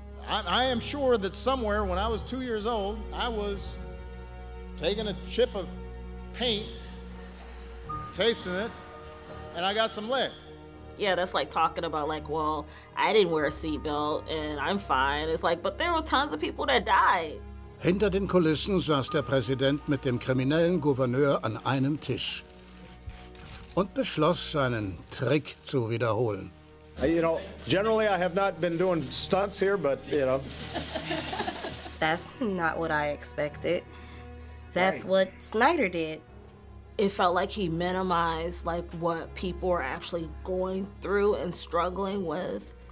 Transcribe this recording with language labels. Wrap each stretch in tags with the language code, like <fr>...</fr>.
<en>I am sure that somewhere when I was 2 years old, I was taking a chip of paint, tasting it, and I got some lead. Yeah, that's like talking about like, well, I didn't wear a seatbelt and I'm fine. It's like, but there were tons of people that died.</en> <de>Hinter den Kulissen saß der Präsident mit dem kriminellen Gouverneur an einem Tisch und beschloss, seinen Trick zu wiederholen.</de> <en>You know, generally I have not been doing stunts here, but you know. That's not what I expected. That's right. What Snyder did. It felt like he minimized like what people were actually going through and struggling with.</en>